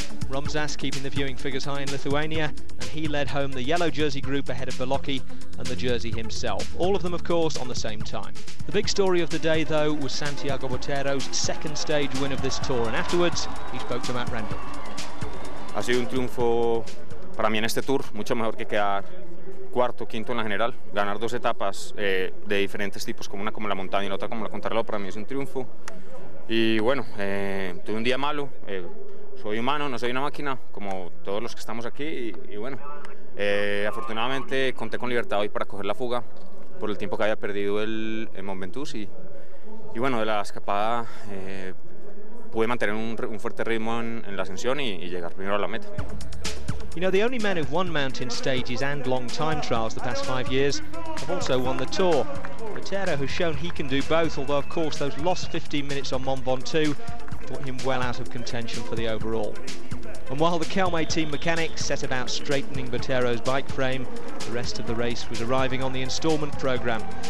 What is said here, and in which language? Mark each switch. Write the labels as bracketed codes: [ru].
[en] Rumsas keeping the viewing figures high in Lithuania, and he led home the yellow jersey group ahead of Bolocchi and the jersey himself. All of them, of course, on the same time. The big story of the day, though, was Santiago Botero's second stage win of this tour, and afterwards, he spoke to Matt Rendell. [es] Ha sido un triunfo para mí en este tour mucho mejor que quedar cuarto, quinto en la general. Ganar dos etapas de diferentes tipos, como una como la montaña y la otra como la contrarreloj, para mí es un triunfo. Y bueno, tuve un día malo, soy humano, no soy una máquina, como todos los que estamos aquí, y bueno, afortunadamente conté con libertad hoy para coger la fuga por el tiempo que había perdido el Mont Ventoux, y bueno, de la escapada pude mantener un fuerte ritmo en la ascensión y llegar primero a la meta. [en] You know, the only men who've won mountain stages and long time trials the past 5 years have also won the Tour. Otero has shown he can do both, although of course those lost 15 minutes on Mont Ventoux put him well out of contention for the overall. And while the Kelmay team mechanics set about straightening Botero's bike frame, the rest of the race was arriving on the instalment programme.